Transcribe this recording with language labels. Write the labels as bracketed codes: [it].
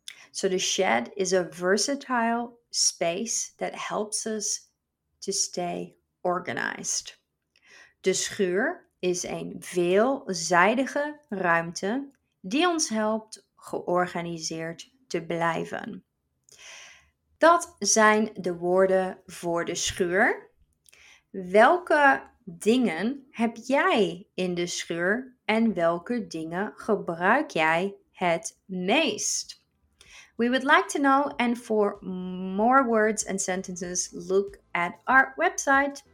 [en] So the shed is a versatile space that helps us to stay organized. [nl] De schuur is een veelzijdige ruimte die ons helpt georganiseerd te blijven. Dat zijn de woorden voor de schuur. Welke dingen heb jij in de schuur en welke dingen gebruik jij het meest? [en] We would like to know, and for more words and sentences, look at our website.